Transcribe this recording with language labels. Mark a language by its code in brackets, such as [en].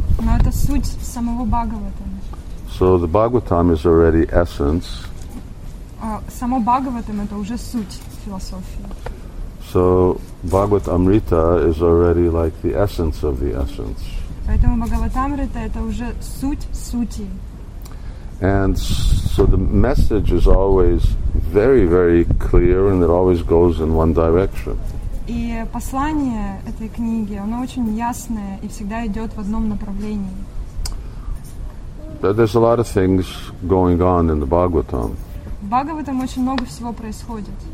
[ru] Но это суть самого Бхагаватам. [en] So the Bhagavatam is already essence. [ru] Само Бхагаватам это уже суть философии. [en] So Bhagavatamrita is already like the essence of the essence. [ru] Поэтому Бхагаватамрита это уже суть сути. [en] And so the message is always very, very clear, and it always goes in one direction. [ru] И послание этой книги, оно очень ясное и всегда идет в одном направлении. [en] But there's a lot of things going on in the Bhagavatam. [ru] В Бхагаватам очень много всего происходит.